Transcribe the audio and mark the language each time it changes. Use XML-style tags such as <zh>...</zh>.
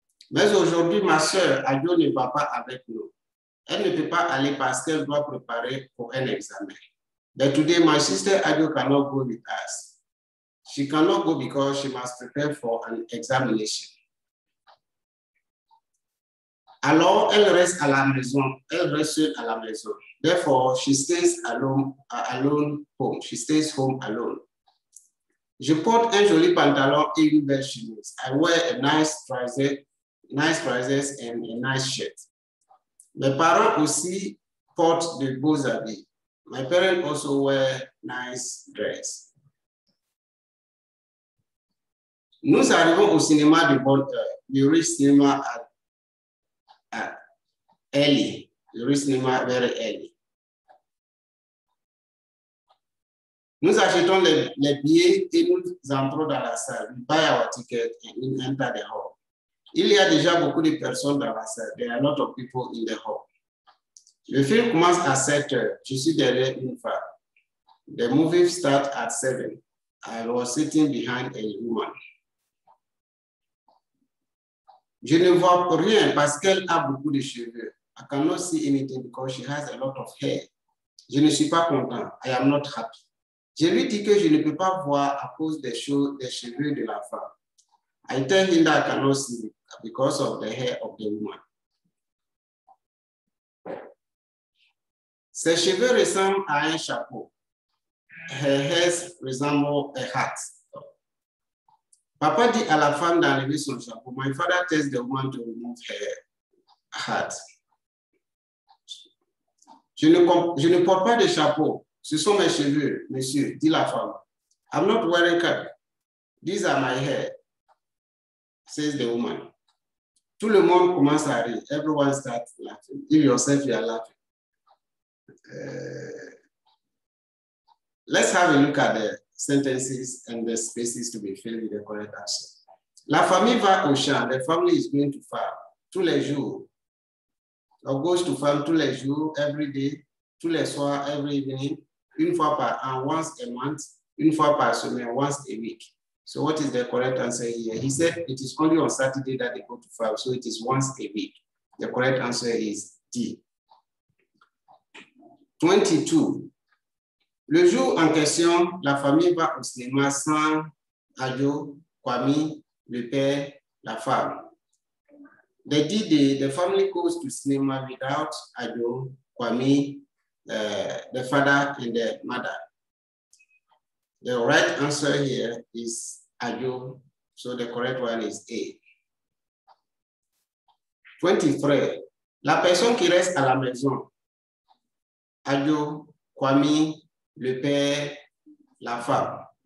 <fr>Mais aujourd'hui, ma soeur Adjo ne va pas avec nous. Elle ne peut pas aller parce qu'elle doit préparer pour un examen.</fr> <en>But today, my sister Adjo cannot go with us. She cannot go because she must prepare for an examination.</en> <fr>Alors, elle reste à la maison. Elle reste seule à la maison.</fr> <en>Therefore, she stays alone home. She stays home alone.</en> <fr>Je porte un joli pantalon et une belle chemise.</fr> <en>I wear a nice trousers and a nice shirt.</en> <fr>Mes parents aussi portent de beaux habits.</fr> <en>My parents also wear nice dress.</en> <fr>Nous arrivons au cinéma de bonne heure.</fr> <en>We reach cinema at early, the cinema very early.</en> <fr>Nous achetons les billets et nous entrons dans la salle.</fr> <en>We buy our ticket and we enter the hall.</en> <fr>Il y a déjà beaucoup de personnes dans la salle.</fr> <en>There are a lot of people in the hall.</en> <fr>Le film commence à 7h. Je suis derrière une femme.</fr> <en>The movie starts at 7. I was sitting behind a woman.</en> <fr>Je ne vois rien parce qu'elle a beaucoup de cheveux.</fr> <en>I cannot see anything because she has a lot of hair.</en> <fr>Je ne suis pas content.</fr> <en>I am not happy.</en> <fr>Je lui dis que je ne peux pas voir à cause des cheveux de la femme.</fr> <en>I tell him that I cannot see because of the hair of the woman.</en> <fr>Ses cheveux ressemblent à un chapeau.</fr> <en>Her hair resembles a hat.</en> <fr>Papa dit à la femme d'enlever son chapeau.</fr> <en>My father tells the woman to remove her hat.</en> <fr>Je ne porte pas de chapeau. Ce sont mes cheveux, monsieur, dit la femme.</fr> <en>I'm not wearing cap. These are my hair, says the woman.</en> <fr>Tout le monde commence à rire.</fr> <en>Everyone starts laughing. Give yourself your laugh. Let's have a look at the sentences and the spaces to be filled with the correct answer.</en> <fr>La famille va au champ.</fr> <en>The family is going to farm</en> <fr>tous les jours. On</fr> <en>goes to farm</en> <fr>tous les jours,</fr> <en>every day,</en> <fr>tous les soirs,</fr> <en>every evening,</en> <fr>une fois par an,</fr> <en>once a month,</en> <fr>une fois par semaine,</fr> <en>once a week. So what is the correct answer here? He said it is only on Saturday that they go to farm, so it is once a week. The correct answer is D. 22.</en> <fr>Le jour en question, la famille va au cinéma sans Adjo, Kwame, le père, la femme.</fr> <en>The D-Day, the family goes to cinema without Adjo, Kwame, the father and the mother. The right answer here is Adjo, so the correct one is A.</en> <fr>23, la personne qui reste à la maison, Adjo, Kwame, le père, la femme.</fr>